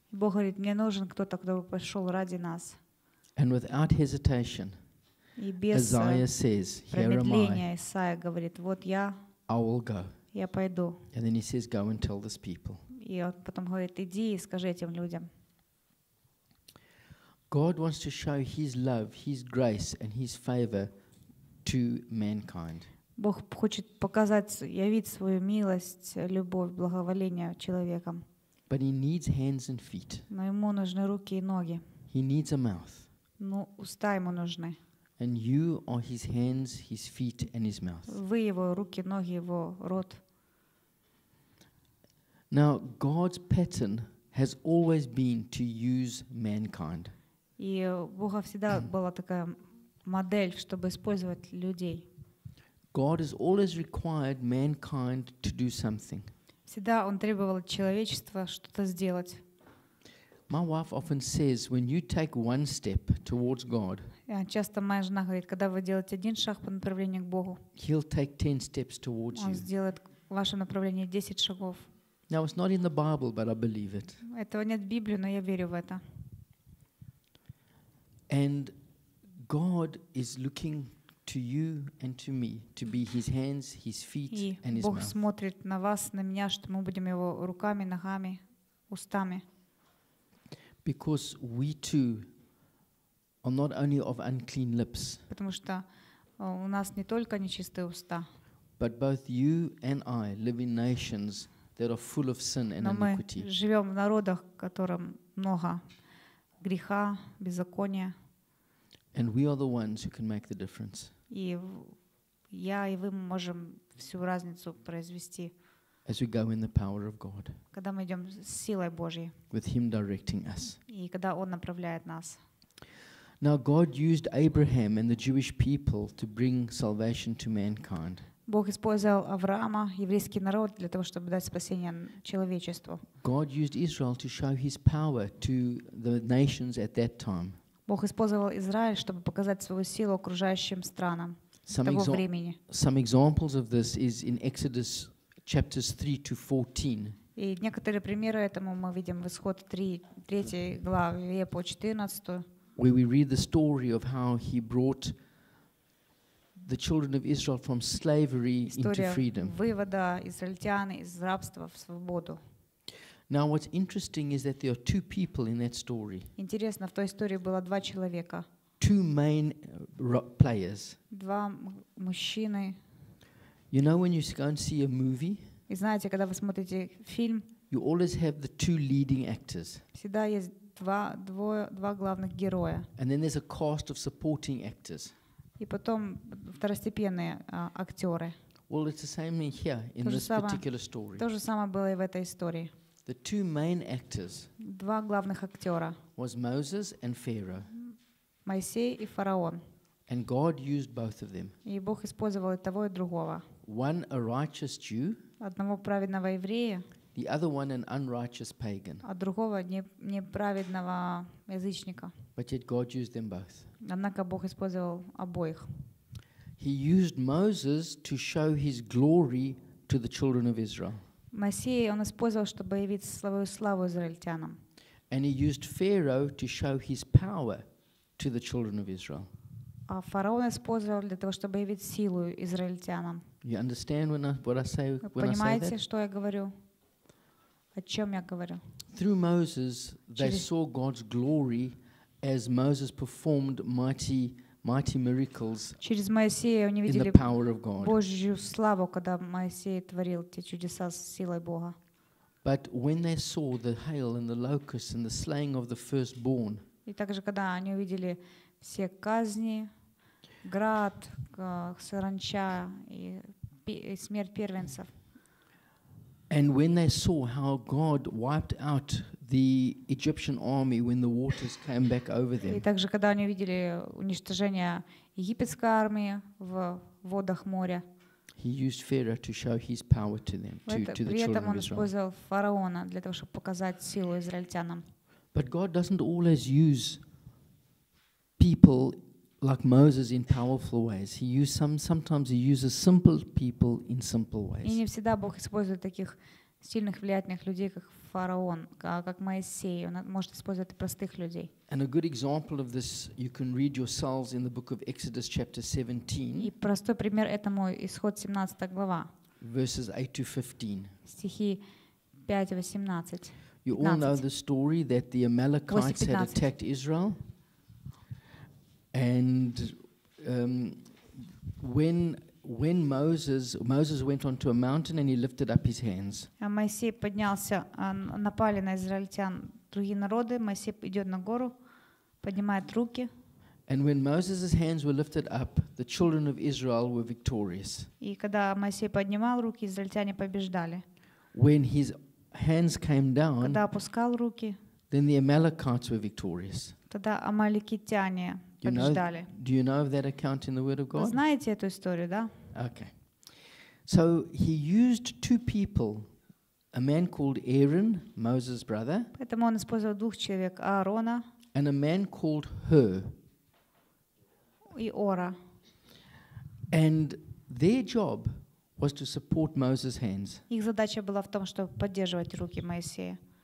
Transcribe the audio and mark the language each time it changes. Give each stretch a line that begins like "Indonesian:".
Russian: Бог говорит, мне нужен кто-то, кто бы пошел ради нас.
English: And without hesitation,
Russian: и без
English: Isaiah says, "Here am I."
Russian: Исаия говорит, вот я.
English: I will go.
Russian: Я пойду.
English: And then he says, "Go and tell these people."
Russian: И он потом говорит, иди и скажи этим людям.
English: God wants to show His love, His grace, and His favor to mankind.
Russian: Бог хочет показать, явить свою милость, любовь, благоволение человеком.
English: But He needs hands and feet.
Russian: Но ему нужны руки и ноги.
English: He needs a mouth.
Russian: Ну, уста ему нужны.
English: And you are His hands, His feet, and His mouth.
Russian: Вы его руки, ноги, его рот.
English: Now God's pattern has always been to use mankind.
Russian: И у Бога всегда была такая модель, чтобы использовать людей.
English: God has always required mankind to do something.
Russian: Всегда он требовал человечества что-то сделать.
English: My wife often says, when you take one step towards God.
Russian: Часто моя жена говорит, когда вы делаете один шаг по направлению к Богу.
English: He'll take 10 steps towards you.
Russian: Он сделает в вашем направлении 10 шагов.
English: Now it's not in the Bible, but I believe it.
Russian: Этого нет в Библии, но я верю в это.
English: And God is looking to you and to me to be His hands, His feet, and His mouth.
Russian: И Бог смотрит на вас, на меня, что мы будем Его руками, ногами, устами.
English: Because we too are not only of unclean lips.
Russian: Потому что у нас не только нечистые уста.
English: But both you and I live in nations that are full of sin and iniquity.
Russian: Но мы живем в народах, которым много греха, беззакония.
English: And we are the ones who can make the difference.
Russian: И я и вы можем всю разницу произвести.
English: As we go in the power of God.
Russian: Когда мы идем с силой Божьей.
English: With Him directing us.
Russian: И когда Он направляет нас.
English: Now God used Abraham and the Jewish people to bring salvation to mankind.
Russian: Бог использовал Авраама, еврейский народ, для того, чтобы дать спасение человечеству.
English: God used Israel to show His power to the nations at that time.
Russian: Бог использовал Израиль, чтобы показать свою силу окружающим странам того времени.
English: Some examples of this is in Exodus chapters 3-14.
Russian: И некоторые примеры этому мы видим в Исход 3 главе по 14.
English: Where we read the story of how He brought the children of Israel from slavery into freedom.
Russian: История вывода израильтян из рабства в свободу.
English: Now what's interesting is that there are two people in that story.
Russian: Интересно, в той истории было два человека.
English: Two main players.
Russian: Два мужчины.
English: You know when you go and see a movie?
Russian: И знаете, когда вы смотрите фильм?
English: You always have the two leading actors.
Russian: Всегда есть два главных героя.
English: And then there's a cast of supporting actors.
Russian: И потом второстепенные актеры.
English: Well, it's the same here in this particular story.
Russian: То же самое было и в этой истории.
English: The two main actors.
Russian: Два главных актёра.
English: Was Moses and Pharaoh.
Russian: Моисей и фараон.
English: And God used both of them.
Russian: И Бог использовал и того, и другого.
English: One a righteous Jew.
Russian: Одного праведного еврея.
English: The other one an unrighteous pagan.
Russian: А другого неправедного язычника.
English: But yet God used them both.
Russian: Однако Бог использовал обоих.
English: He used Moses to show His glory to the children of Israel.
Russian: Моисей он использовал, чтобы явить свою славу израильтянам.
English: And he used Pharaoh to show his power to the children of Israel.
Russian: А фараон использовал для того, чтобы явить силу израильтянам.
English: You understand what I say when I say that?
Russian: Понимаете, что я говорю? О чем я говорю?
English: Through Moses, they saw God's glory as Moses performed mighty miracles.
Russian: Через Моисея они видели Божью славу, когда Моисей творил те чудеса с силой Бога.
English: But when they saw the hail and the locusts and the slaying of the firstborn.
Russian: И также когда они увидели все казни, град, саранча и смерть первенцев.
English: And when they saw how God wiped out the Egyptian army when the waters came back over them.
Russian: И также когда они увидели уничтожение египетской армии в водах моря.
English: He used Pharaoh to show his power to them, to the children of Israel.
Russian: При этом он использовал фараона для того, чтобы показать силу израильтянам.
English: But God doesn't always use people like Moses in powerful ways. He uses sometimes he uses simple people in simple ways.
Russian: И не всегда Бог использует таких сильных влиятельных людей, как фараон, как Моисей. Он может использовать простых людей.
English: And a good example of this you can read yourselves in the book of Exodus chapter 17.
Russian: И простой пример этому исход 17 глава.
English: Verses 8 to 15.
Russian: Стихи 5-18.
English: You all know the story that the Amalekites had attacked Israel. And when Moses went onto a mountain and he lifted up his hands.
Russian: Моисей поднялся, напали на израильтян другие народы. Моисей идет на гору, поднимает руки.
English: And when Moses' hands were lifted up, the children of Israel were victorious.
Russian: И когда Моисей поднимал руки, израильтяне побеждали.
English: When his hands came down,
Russian: когда опускал руки,
English: then the Amalekites were victorious.
Russian: Тогда амаликитяне побеждали.
English: Do you know of that account in the Word of God?
Russian: Знаете эту историю, да?
English: Okay. So he used two people, a man called Aaron, Moses' brother.
Russian: Поэтому он использовал двух человек, Аарона.
English: And a man called Hur.
Russian: И Ора.
English: And their job was to support Moses' hands.
Russian: Их задача была в том, чтобы поддерживать руки Моисея.